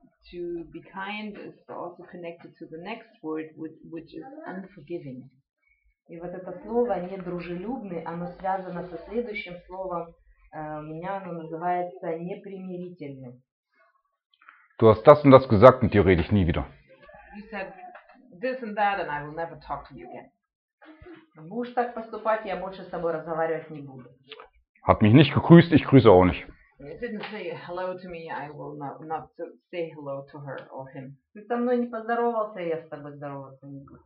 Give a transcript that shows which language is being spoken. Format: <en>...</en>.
<en>To be kind is also connected to the next word, which is unforgiving.</en> <ru>И вот это слово недружелюбный, оно связано со следующим словом. У меня оно называется непримирительный.</ru> <de>Du hast das und das gesagt, mit dir rede ich nie wieder.</de> <en>You said this and that, and I will never talk to you again.</en> <ru>Будешь так поступать, я больше с тобой разговаривать не буду.</ru> <de>Hab mich nicht gegrüßt, ich grüße auch nicht.</de> <en>You didn't say hello to me, I will not say hello to her or him.</en> <ru>Ты со мной не поздоровался, я с тобой здороваться не буду.</ru>